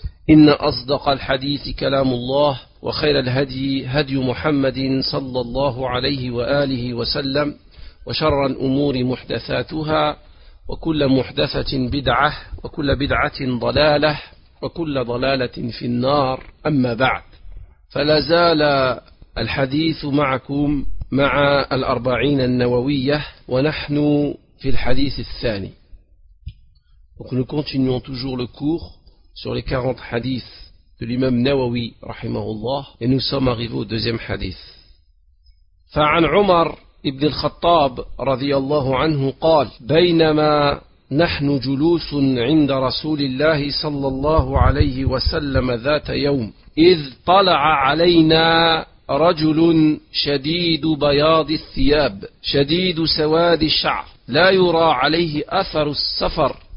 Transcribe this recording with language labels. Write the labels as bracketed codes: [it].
[ar] إن أصدق الحديث كلام الله، وخير الهدي هدي محمد صلى الله عليه وآله وسلم، وشر الأمور محدثاتها، وكل محدثة بدعة، وكل بدعة ضلالة، وكل ضلالة في النار. أما بعد، فلازال الحديث معكم مع الأربعين النووية، ونحن في الحديث الثاني. [fr] Donc nous continuons toujours le cours sur les 40 hadiths de l'imam Nawawi rahimahullah, et nous sommes arrivés au deuxième hadith. [ar] فعن عمر ابن الخطاب رضي الله عنه قال بينما نحن جلوس عند رسول الله صلى الله عليه وسلم ذات يوم إذ طلع علينا رجل شديد بياض الثياب شديد سواد الشعر لا يرى عليه أثر السفر